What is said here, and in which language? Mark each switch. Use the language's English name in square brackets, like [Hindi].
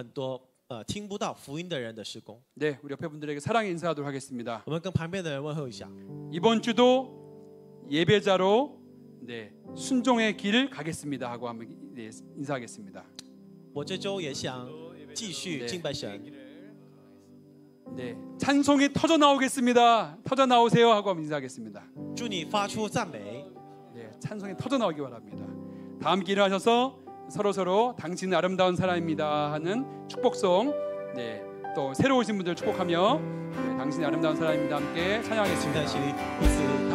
[Chinese] 希望神使用我们教会，就继续做出为了外国人，为了很多听不到福音的人的施工。 [Korean] 네, 우리 옆에 분들에게 사랑의 인사도 하겠습니다. [Chinese] 我们跟旁边的人问候一下。 [Korean] 이번 주도 예배자로 네 순종의 길을 가겠습니다 하고 한번 네, 인사하겠습니다. [Chinese] 我这周也想继续敬拜神。 [Korean] 네, 찬송이 터져 나오겠습니다. 터져 나오세요 하고 인사하겠습니다. [Chinese] 祝你发出赞美。 [Korean] 네, 찬송이 터져 나오기 바랍니다. 다 함께 일어나셔서 서로서로 당신은 아름다운 사람입니다 하는 축복송. 네, 또 새로 오신 분들 축복하며 네, 당신은 아름다운 사람입니다 함께 찬양하겠습니다.